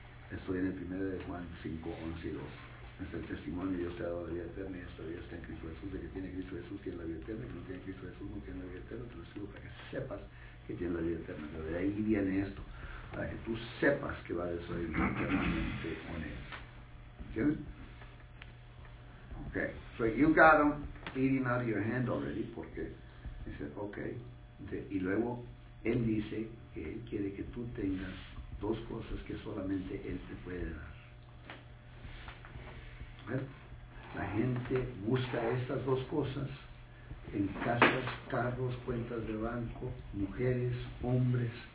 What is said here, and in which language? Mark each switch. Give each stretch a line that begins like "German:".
Spanish: Esto viene en 1 Juan 5, 11 y 12. Es el testimonio que Dios te ha dado de vida eterna y esta vida está en Cristo Jesús. De que tiene Cristo Jesús, tiene la vida eterna. Que no tiene Cristo Jesús, no tiene la vida eterna. Te lo escribo para que sepas que tiene la vida eterna. Pero de ahí viene esto. Para que tú sepas que va a desoír eternamente con él. ¿Entiendes? Ok.
English: So you got him eating out of your hand already.
Spanish: Porque dice, ok. Y luego él dice que él quiere que tú tengas dos cosas que solamente él te puede dar. La gente busca estas dos cosas en casas, carros, cuentas de banco, mujeres, hombres.